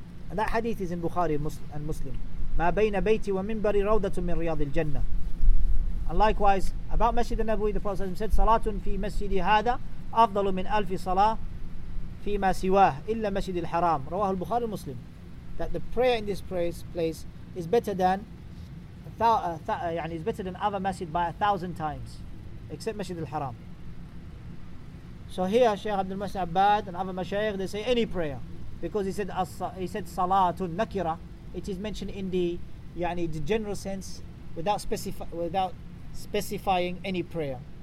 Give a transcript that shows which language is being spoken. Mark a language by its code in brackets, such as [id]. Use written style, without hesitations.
[en] And that hadith is in Bukhari and Muslim. [ar] مَا بَيْنَ بَيْتِ وَمِنْبَرِ رَوْضَةٌ مِنْ رِيَاضِ الْجَنَّةِ. [en] And likewise, about Masjid al-Nabawi, the Prophet said, [ar] صَلَاتٌ فِي مَسْجِدِ هَذَا أَفْضَلُ مِنْ أَلْفِ صَلَاةٍ فِي مَا سِوَاهِ إِلَّا مَسْجِدِ الْحَرَامِ. رواه البخاري المسلم. [en] That the prayer in this place is better than is better than other masjid by 1,000 times, except Masjid al-Haram. So here, Shaykh Abdul Masih Abad and other mashayikh, they say any prayer. Because he said salatun nakira, it is mentioned in the general sense without specifying any prayer.